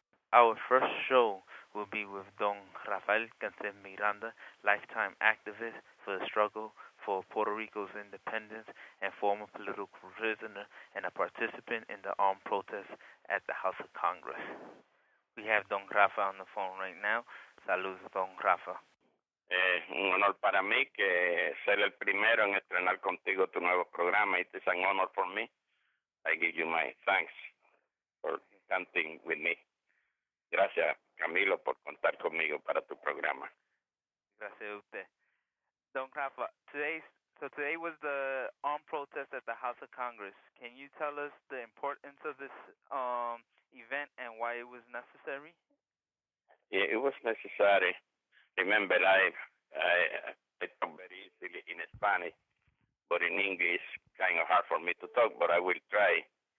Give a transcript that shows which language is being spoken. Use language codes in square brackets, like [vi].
[en] Our first show will be with Don Rafael Quince Miranda, lifetime activist for the struggle for Puerto Rico's independence and former political prisoner and a participant in the armed protest at the House of Congress. We have Don Rafa on the phone right now. [es] Saludos, Don Rafa. Un honor para mí que ser el primero en estrenar contigo tu nuevo programa. [en] It is an honor for me. I give you my thanks for counting with me. [es] Gracias, Camilo, por contar conmigo para tu programa. Gracias a usted. [en] Don Rafa, today was the armed protest at the House of Congress. Can you tell us the importance of this event and why it was necessary? Yeah, it was necessary. Remember, I talk very easily in Spanish, but in English, kind of hard for me to talk, but I will try.